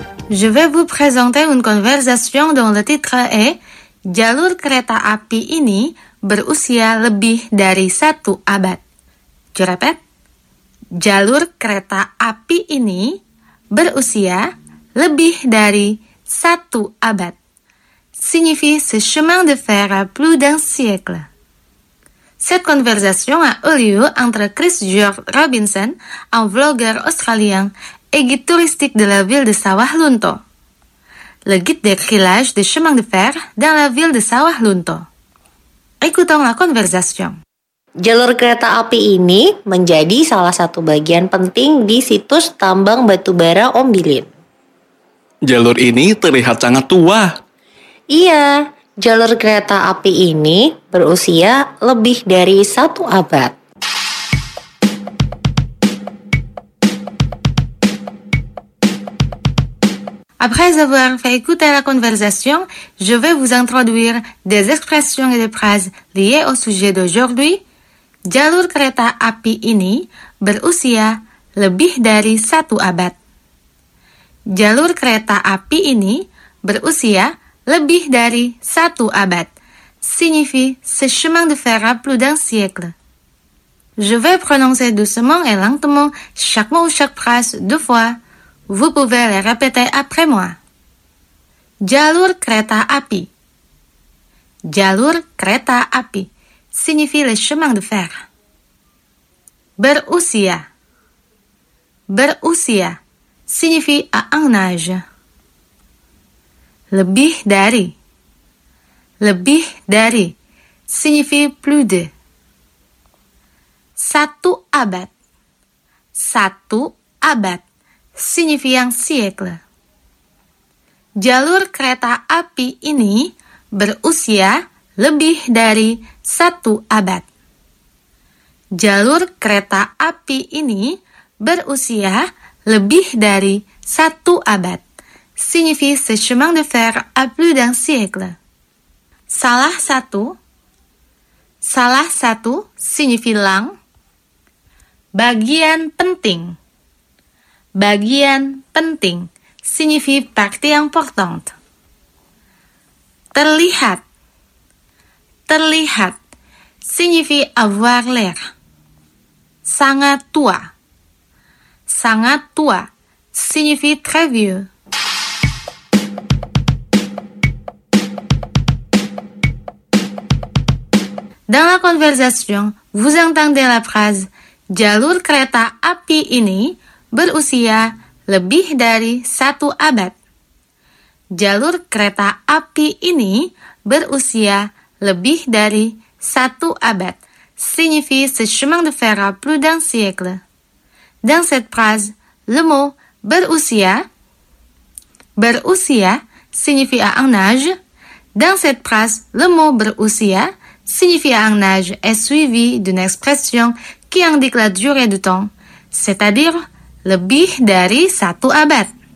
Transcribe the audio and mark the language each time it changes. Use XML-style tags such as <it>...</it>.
<fr>Je vais vous présenter une conversation dont le titre est «</fr> <id>Jalur kereta api ini berusia lebih dari satu abad ».</id> <fr>Je répète.</fr> <id>Jalur kereta api ini berusia lebih dari satu abad.</id> <fr>Signifie « ce chemin de fer a plus d'un siècle ». Cette conversation a eu lieu entre Chris George Robinson, un vlogueur australien, et guide touristique de la ville de Sawah Lunto. Le guide décrit l'âge des chemins de fer dans la ville de Sawah Lunto. Écoutons la conversation.</fr> <id>Jalur kereta api ini menjadi salah satu bagian penting di situs tambang batubara Ombilin. Jalur ini terlihat sangat tua. Iya, jalur kereta api ini berusia lebih dari satu abad.</id> <fr>Après avoir fait écouter la conversation, je vais vous introduire des expressions et des phrases liées au sujet d'aujourd'hui.</fr> <id>Jalur kereta api ini berusia lebih dari satu abad. Jalur kereta api ini berusia lebih dari satu abad.</id> <fr>Signifie ce chemin de fer a plus d'un siècle. Je vais prononcer doucement et lentement chaque mot ou chaque phrase deux fois. Vous pouvez les répéter après moi.</fr> <id>Jalur kereta api. Jalur kereta api</id> <fr>signifie le chemin de fer. Berusia. Berusia signifie à un âge.</fr> <id>Lebih dari. Lebih dari</id> <fr>signifie plus de.</fr> <id>Satu abad. Satu abad</id> <fr>signifie un siècle.</fr> <id>Jalur kereta api ini berusia lebih dari satu abad. Jalur kereta api ini berusia lebih dari satu abad.</id> <fr>Signifie ce chemin de fer a plus d'un siècle.</fr> <id>Salah satu. Salah satu</id> <fr>signifie lang.</fr> <id>Bagian penting. Bagian penting</id> <fr>signifie partie importante.</fr> <id>Terlihat.</id> <fr>Terlihat signifie avoir l'air.</fr> <id>Sangat tua. Sangat tua</id> <fr>signifie très vieux. Dans la conversation, vous entendez la phrase</fr> <id>jalur kereta api ini berusia lebih dari satu abad. Jalur kereta api ini berusia lebih dari satu abad.</id> <fr>Signifie ce chemin de fer a plus d'un siècle. Dans cette phrase, le mot berusia, berusia signifie à un âge. Dans cette phrase, le mot berusia signifie à un âge est suivi d'une expression qui indique la durée du temps, c'est-à-dire</fr> <id>lebih dari satu abad.</id>